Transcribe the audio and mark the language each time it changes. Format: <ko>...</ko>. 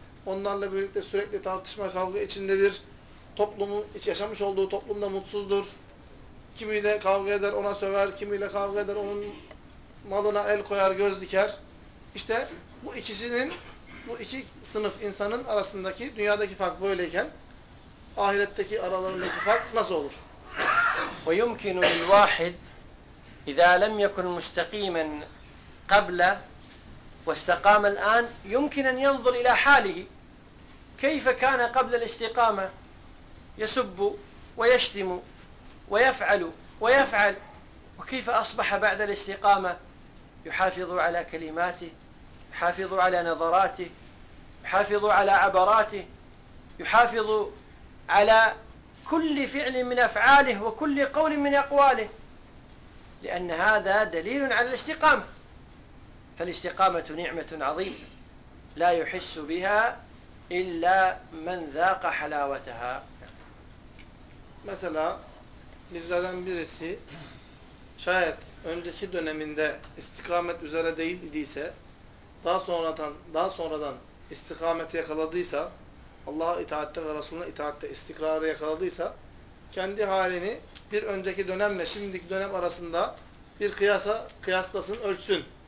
<tr>Onlarla birlikte sürekli tartışma, kavga içindedir. Toplumu, yaşamış olduğu toplumda mutsuzdur. Kimiyle kavga eder, ona söver. Kimiyle kavga eder, onun malına el koyar, göz diker. İşte bu ikisinin, bu iki sınıf insanın arasındaki dünyadaki fark böyleyken, ahiretteki aralarındaki fark nasıl olur?</tr> <ar>وَيُمْكِنُ الْوَاحِدِ اِذَا لَمْ يَكُنْ مُسْتَقِيمًا قَبْلَ واستقام الآن يمكن أن ينظر إلى حاله كيف كان قبل الاستقامة يسب ويشتم ويفعل ويفعل وكيف أصبح بعد الاستقامة يحافظ على كلماته يحافظ على نظراته يحافظ على عبراته يحافظ على كل فعل من أفعاله وكل قول من أقواله لأن هذا دليل على الاستقامة فالاستقامة نعمة عظيمة لا يحس بها إلا من ذاق حلاوتها.</ar> <tr>Mesela bizlerden birisi şayet önceki döneminde istikamet üzere değil idiyse daha sonradan istikameti yakaladıysa, Allah'a itaatte ve Resulüne itaatte istikrarı yakaladıysa, kendi halini bir önceki dönemle şimdiki dönem arasında bir kıyaslasın, ölçsün.</tr>